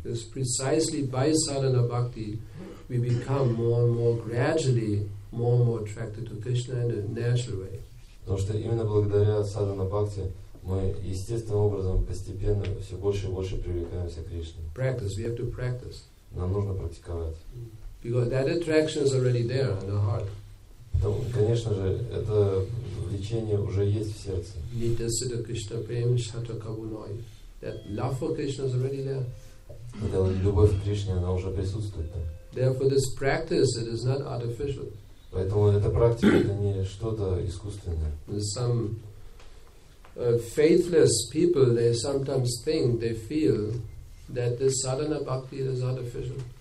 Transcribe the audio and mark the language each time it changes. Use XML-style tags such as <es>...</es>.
<en>It's precisely by sadhana bhakti we become more and more gradually more and more attracted to Krishna in a natural way.</en> <ru>Потому что именно благодаря sadhana bhakti мы естественным образом постепенно все больше и больше привлекаемся к Кришне.</ru> <en>Practice, we have to practice.</en> <ru>Нам нужно практиковать.</ru> <en>Because that attraction is already there in the heart.</en> <ru>Конечно же, это влечение уже есть в сердце.</ru> <bn>Nita siddha krishna prem shata kabunoi.</bn> <en>That love for Krishna is already there.</en> <ru>Это любовь к Кришне, она уже присутствует там.</ru> <en>Therefore, this practice, it is not artificial.</en> <ru>Поэтому эта практика, это не что-то искусственное.</ru> <en>Faithless people, they sometimes think, they feel that this sadhana bhakti is artificial.</en>